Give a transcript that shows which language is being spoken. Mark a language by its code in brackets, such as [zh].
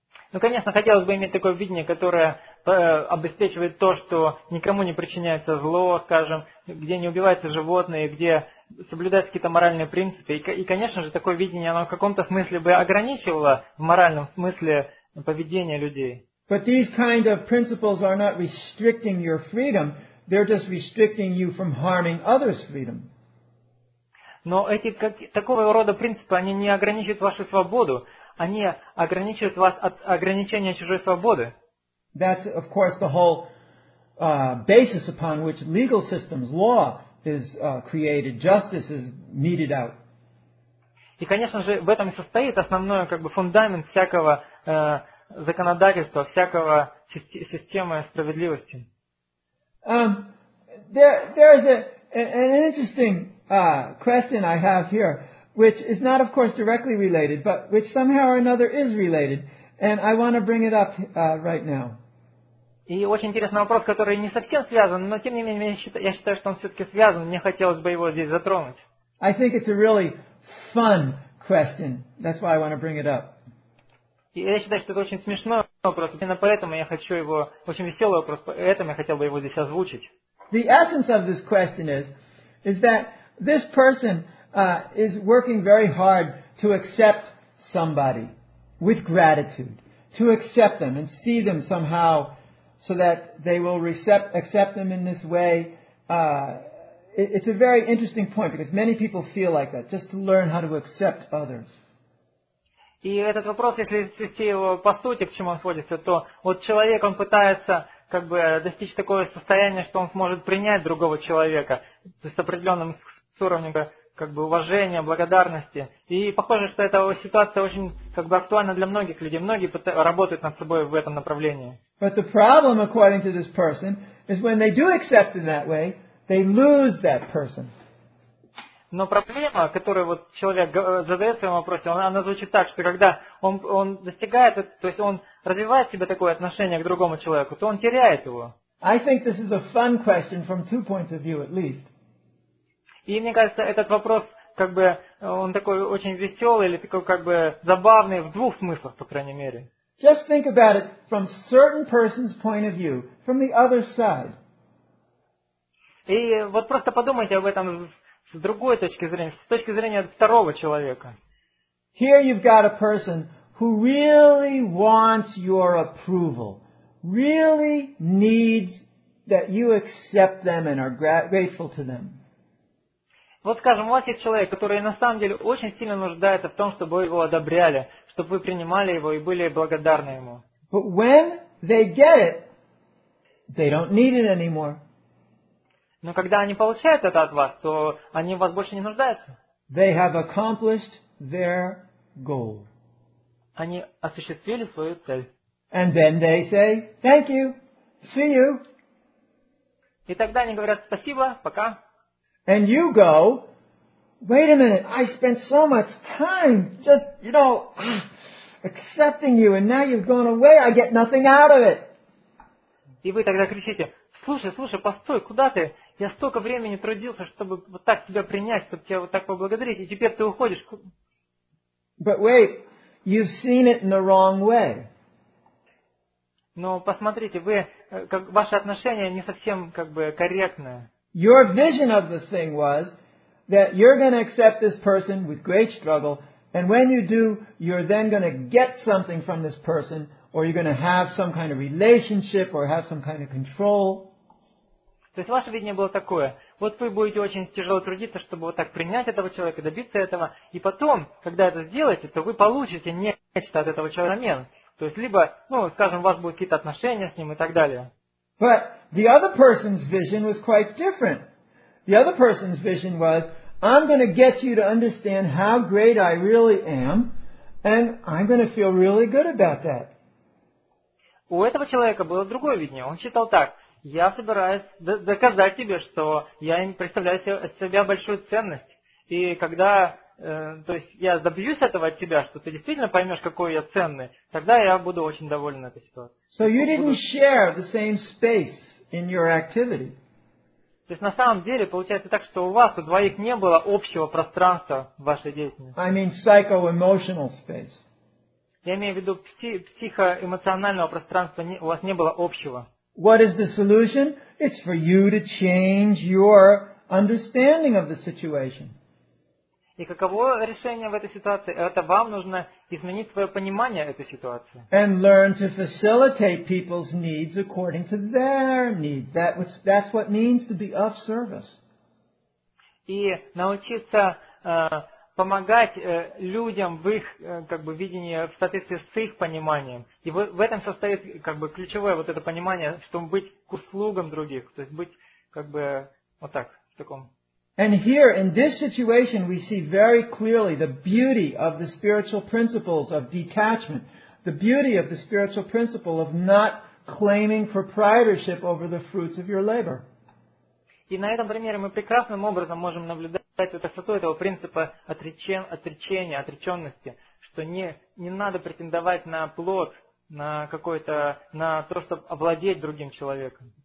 [ru] Ну, конечно, хотелось бы иметь такое видение, которое обеспечивает то, что никому не причиняется зло, скажем, где не убиваются животные, где соблюдаются какие-то моральные принципы. И, конечно же, такое видение, оно в каком-то смысле бы ограничивало в моральном смысле поведение людей. [en] But these kind of principles are not restricting your freedom, they're just restricting you from harming others' freedom. [ru] Но эти как, такого рода принципы, они не ограничивают вашу свободу, они ограничивают вас от ограничения чужой свободы. [en] That's, of course, the whole basis upon which legal systems, law is created, justice is meted out. [ru] И, конечно же, в этом и состоит основной как бы фундамент всякого законодательства, всякого системы справедливости. [en] There is an interesting question I have here, which is not, of course, directly related, but which somehow or another is related, and I want to bring it up right now. [ru] И очень интересный вопрос, который не совсем связан, но тем не менее я считаю, что он все-таки связан. Мне хотелось бы его здесь затронуть. [en] I think it's a really fun question. That's why I want to bring it up. [ru] И я считаю, что это очень смешной вопрос. Именно поэтому я хочу его, очень веселый вопрос, поэтому я хотел бы его здесь озвучить. [en] The essence of this question is that this person is working very hard to accept somebody with gratitude, to accept them and see them somehow so that they will accept them in this way. It's a very interesting point because many people feel like that, just to learn how to accept others. [ru] И этот вопрос, если свести его по сути, к чему он сводится, то вот человек, он пытается как бы достичь такого состояния, что он сможет принять другого человека, то есть определенным с уровнем как бы уважения, благодарности. И похоже, что эта ситуация очень как бы актуальна для многих людей. Многие работают над собой в этом направлении. [en] But the problem, according to this person, is when they do accept in that way, they lose that person. [ru] Но проблема, которую вот человек задает в своем вопросе, она звучит так, что когда он достигает, то есть он развивает в себе такое отношение к другому человеку, то он теряет его. [en] I think this is a fun question from two points of view at least. [ru] И мне кажется, этот вопрос как бы он такой очень веселый или такой как бы забавный в двух смыслах, по крайней мере. [en] Just think about it from certain person's point of view, from the other side. [ru] И вот просто подумайте об этом с другой точки зрения, с точки зрения второго человека. [en] Here you've got a person who really wants your approval, really needs that you accept them and are grateful to them. [ru] Вот скажем, у вас есть человек, который на самом деле очень сильно нуждается в том, чтобы вы его одобряли, чтобы вы принимали его и были благодарны ему. [en] But when they get it, they don't need it anymore. [ru] Но когда они получают это от вас, то они в вас больше не нуждаются. [en] They have accomplished their goal. [ru] Они осуществили свою цель. [en] And then they say, thank you, see you. [ru] И тогда они говорят спасибо, пока. [en] And you go, wait a minute, I spent so much time just, you know, accepting you, and now you've gone away, I get nothing out of it. [ru] И вы тогда кричите, слушай, постой, куда ты? Я столько времени трудился, чтобы вот так тебя принять, чтобы тебя вот так поблагодарить, и теперь ты уходишь. [en] But wait, you've seen it in the wrong way. [ru] Но посмотрите, вы, как, ваше отношение не совсем как бы корректное. [en] Your vision of the thing was that you're going to accept this person with great struggle, and when you do, you're then going to get something from this person, or you're going to have some kind of relationship, or have some kind of control. [ru] То есть ваше видение было такое. Вот вы будете очень тяжело трудиться, чтобы вот так принять этого человека, добиться этого. И потом, когда это сделаете, то вы получите нечто от этого человека взамен. То есть либо, ну, скажем, у вас будут какие-то отношения с ним и так далее. [en] But the other person's vision was quite different. The other person's vision was, I'm going to get you to understand how great I really am, and I'm going to feel really good about that. [ru] У этого человека было другое видение. Он считал так. Я собираюсь доказать тебе, что я представляю себя большую ценность. И когда то есть я добьюсь этого от тебя, что ты действительно поймешь, какой я ценный, тогда я буду очень доволен этой ситуацией. [en] So you didn't share the same space in your activity. [ru] То есть на самом деле получается так, что у вас, у двоих не было общего пространства в вашей деятельности. [en] I mean psycho-emotional space. [ru] Я имею в виду психоэмоционального пространства, у вас не было общего. [en] What is the solution? It's for you to change your understanding of the situation. [ru] И каково решение в этой ситуации? Это вам нужно изменить свое понимание этой ситуации. [en] And learn to facilitate people's needs according to their needs. That's what means to be of service. [ru] И научиться помогать людям в их как бы видении в соответствии с их пониманием. И в этом состоит как бы ключевое вот это понимание, чтобы быть к услугам других, то есть быть как бы вот так в таком. [en] And here in this situation we see very clearly the beauty of the spiritual principles of detachment, the beauty of the spiritual principle of not claiming proprietorship over the fruits of your labor. [ru] И на этом примере мы прекрасным образом можем наблюдать высоту этого принципа отречения, отреченности, что не надо претендовать на плод, на какой-то, на то, чтобы овладеть другим человеком.